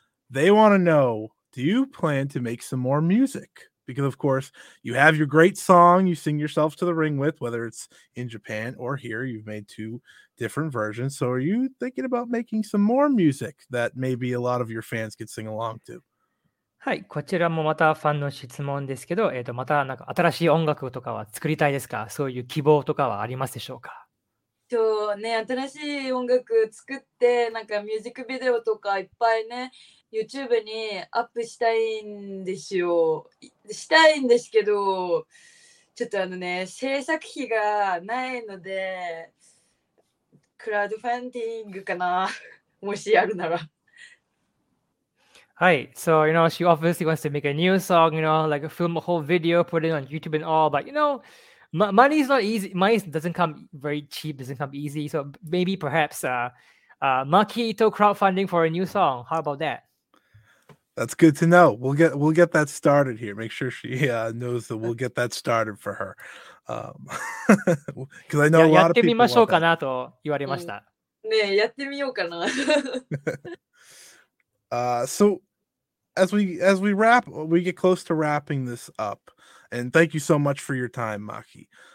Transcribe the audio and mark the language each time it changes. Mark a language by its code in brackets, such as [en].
[en] They want to know, do you plan to make some more music? Because, of course, you have your great song you sing yourself to the ring with, whether it's in Japan or here. You've made two different versions. So are you thinking about making some more music that maybe a lot of your fans could sing along to? [ja] はい、こちらもまたファンの質問ですけど、またなんか新しい音楽とかは作りたいですか？そういう希望とかはありますでしょうか？そうね、新しい音楽作って、なんかミュージックビデオとかいっぱいね、YouTube にアップしたいんですよ。したいんですけど、ちょっとあのね、制作費がないので、クラウドファンディングかな、もしやるなら。 [en] Hi, so you know, she obviously wants to make a new song, you know, like film a whole video, put it on YouTube and all, but you know, money is not easy, money doesn't come very cheap, doesn't come easy. So maybe perhaps Maki Itoh crowdfunding for a new song. How about that? That's good to know. We'll get that started here. Make sure she knows that we'll get that started for her. Because I know a lot of people. [ja] Yeah, やってみましょうかなと言われました。ねえ、やってみようかな。 [en] So as we wrap, we get close to wrapping this up, and thank you so much for your time, Maki.